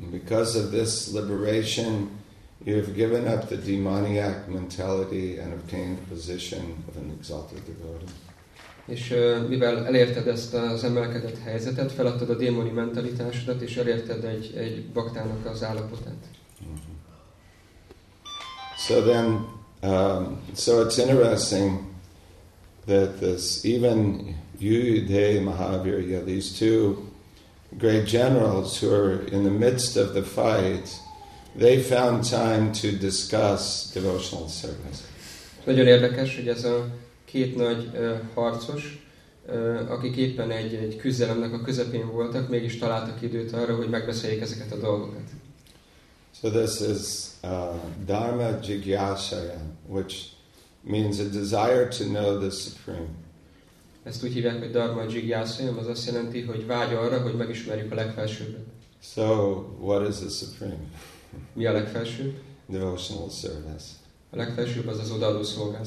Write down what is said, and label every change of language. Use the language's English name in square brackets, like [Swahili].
[English] Because of this liberation, you have given up the demoniac mentality and obtained the position of an exalted devotee. [Hungarian] És mivel elérted ezt az emelkedett helyzetet, feladtad a démoni mentalitásodat, és elérted egy baktának az állapotát. Mm-hmm. [English] So then, so it's interesting that this, even Yudhay Mahavirya, these two great generals who are in the midst of the fight, they found time to discuss devotional service. [Hungarian] Nagyon érdekes, hogy ez a két nagy harcos, akik éppen egy küzdelemnek a közepén voltak, mégis találtak időt arra, hogy megbeszéljék ezeket a dolgokat. [English] So this is dharma jigyasaya, which means a desire to know the supreme. [Hungarian] Ezt úgy hívják, hogy dharma jigyasaya, az azt jelenti, hogy vágy arra, hogy megismerjük a legfelsőbbet. [English] So what is the supreme? [Hungarian] Mi a legfelsőbb? [English] Devotional service. [Hungarian] A legfelsőbb az az odaadó szolgálat.